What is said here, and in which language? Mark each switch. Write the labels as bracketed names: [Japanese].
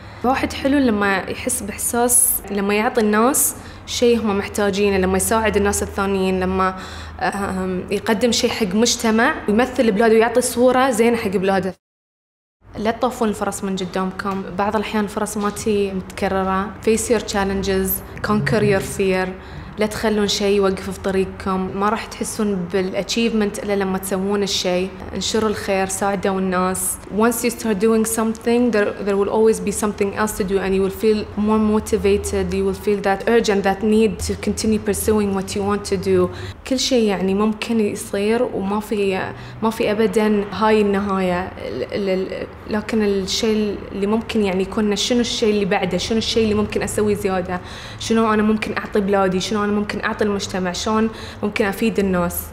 [Arabic] واحد حلو لما يحس بإحساس لما يعطي الناس شيء هم محتاجينه، لما يساعد الناس الثانيين، لما يقدم شيء حق مجتمع ويمثل بلاده ويعطي صورة زينة حق بلاده. لا تطوفون الفرص من قدامكم. بعض الأحيان الفرص ما تي متكررة. [English] face your challenges, conquer your fear. [Arabic] لا تخلون شيء يوقف في طريقكم. ما راح تحسون بالأتشيفمنت إلا لما تسوون الشيء. انشروا الخير، ساعدوا الناس. [English] once you start doing something there will always be something else to do and you will feel more motivated, you will feel that urge and that need to continue pursuing what you want to do. [Arabic] كل شيء يعني ممكن يصير وما في أبدا هاي النهاية، لكن الشيء اللي ممكن يعني يكون شنو الشيء اللي بعده، شنو الشيء اللي ممكن أسوي زيادة، شنو أنا ممكن أعطي بلادي، شنو أنا ممكن أعطي المجتمع، شلون ممكن أفيد الناس.